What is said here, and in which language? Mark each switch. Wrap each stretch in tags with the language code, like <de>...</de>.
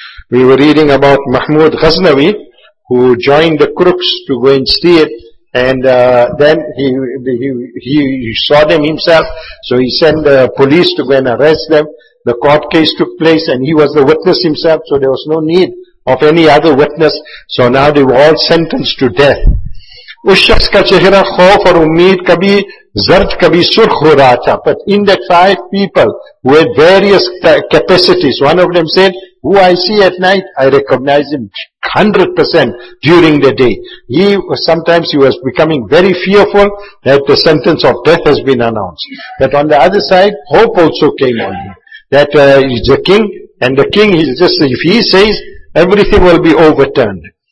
<en>We were reading about Mahmud Ghaznavi, who joined the crooks to go and steal, and then he saw them himself, so he sent the police to go and arrest them. The court case took place and he was the witness himself, so there was no need of any other witness. So now they were all sentenced to death.</en> <ur>اس شخص کا چہرہ خوف اور امید کبھی زرد کبھی سرخ ہو رہا تھا.</ur> <en>But in that five people with various capacities, one of them said, who I see at night, I recognize him 100% during the day. Sometimes he was becoming very fearful that the sentence of death has been announced. But on the other side, hope also came on him. That he's the king, and the king is just, if he says, everything will be overturned.</en>